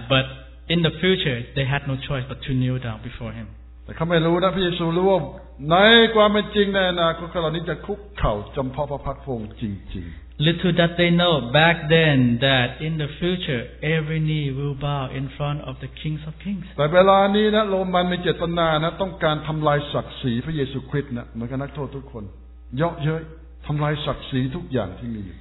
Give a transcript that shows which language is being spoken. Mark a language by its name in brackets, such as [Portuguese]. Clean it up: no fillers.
[English] But in the future, they had no choice but to kneel down before him. [Thai] แต่เขาไม่รู้นะพระเยซูรู้ว่าในความเป็นจริงในอนาคตเรานี้จะคุกเข่าจำเพาะพระพักตร์พระองค์จริงๆ [English] Little that they know back then that in the future every knee will bow in front of the kings of kings. [Thai] แต่เวลานี้นะโรมันมีเจตนานะต้องการทำลายศักดิ์ศรีพระเยซูคริสต์นะเหมือนกับนักโทษทุกคนเยาะเย้ยทำลายศักดิ์ศรีทุกอย่างที่มี